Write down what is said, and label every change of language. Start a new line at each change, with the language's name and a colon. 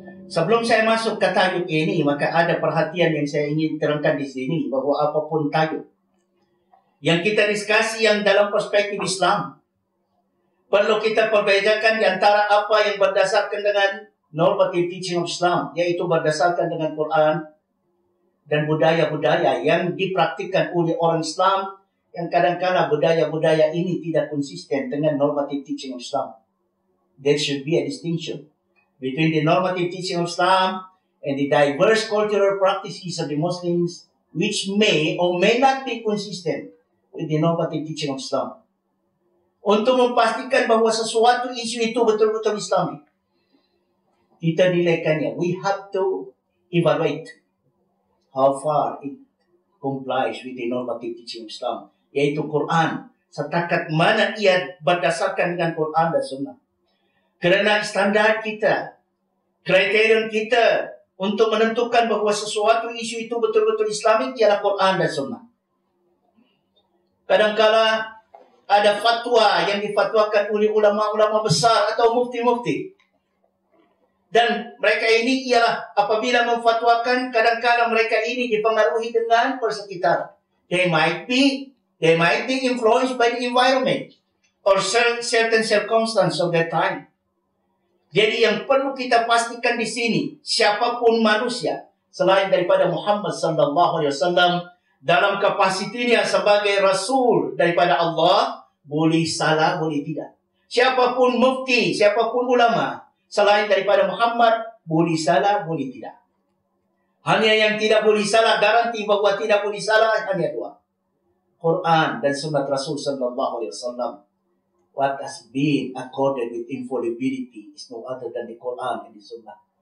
Malay: Sebelum saya masuk ke tajuk ini, maka ada perhatian yang saya ingin terangkan di sini, bahwa apapun tajuk yang kita diskusi yang dalam perspektif Islam, perlu kita perbedakan di antara apa yang berdasarkan dengan
English: normative teaching of Islam,
Malay: yaitu berdasarkan dengan Quran dan budaya-budaya yang dipraktikkan oleh orang Islam, yang kadang-kadang budaya-budaya ini tidak konsisten dengan normative teaching of Islam.
English: There should be a distinction between the normative teaching of Islam and the diverse cultural practices of the Muslims, which may or may not be consistent with the normative teaching of Islam.
Malay: Untuk memastikan bahwa sesuatu isu itu betul-betul Islamik, kita nilaikannya.
English: We have to evaluate how far it complies with the normative teaching of Islam,
Malay: yaitu Quran. Setakat mana ia berdasarkan dengan Quran dan Sunnah. Kerana standar kita, kriteria kita untuk menentukan bahwa sesuatu isu itu betul-betul Islamik ialah Quran dan Sunnah. Kadangkala ada fatwa yang difatwakan oleh ulama-ulama besar atau mufti-mufti. Dan mereka ini ialah apabila memfatwakan, kadangkala mereka ini dipengaruhi dengan persekitar.
English: They might be influenced by the environment or certain circumstances of their time.
Malay: Jadi yang perlu kita pastikan di sini, siapapun manusia selain daripada Muhammad sallallahu alaihi wasallam dalam kapasitinya sebagai rasul daripada Allah, boleh salah, boleh tidak. Siapapun mufti, siapapun ulama selain daripada Muhammad, boleh salah, boleh tidak. Hanya yang tidak boleh salah, garanti bahwa tidak boleh salah, hanya dua. Quran dan sunnah Rasul sallallahu alaihi wasallam.
English: What has been accorded with infallibility is no other than the Quran and the Sunnah.